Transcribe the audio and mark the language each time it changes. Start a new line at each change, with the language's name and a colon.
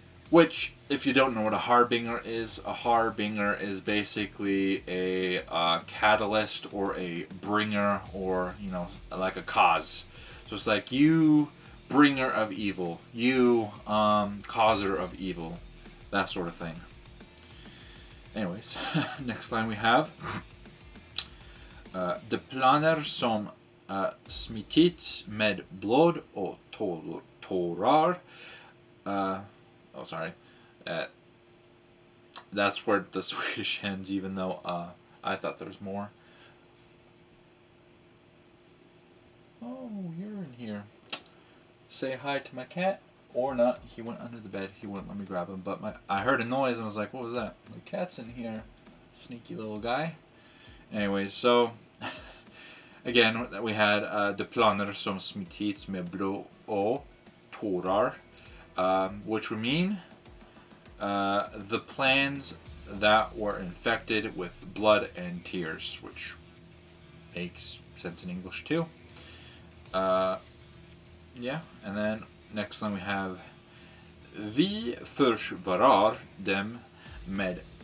English: Which, if you don't know what a harbinger is basically a catalyst or a bringer, or, you know, like a cause. So it's like, you bringer of evil, you causer of evil, that sort of thing. Anyways, next line we have.
Swedish: De planer som smittits med blod och tårar.
English: That's where the Swedish ends, even though I thought there was more. Oh, you're in here. Say hi to my cat, or not. He went under the bed. He wouldn't let me grab him, but I heard a noise, and I was like, what was that? My cat's in here. Sneaky little guy. Anyway, so, again, we had
Swedish: De planer som smittits med blod och tårar,
English: which would mean the plans that were infected with blood and tears, which makes sense in English too. And then next line we have
Swedish: Vi försvarar dem med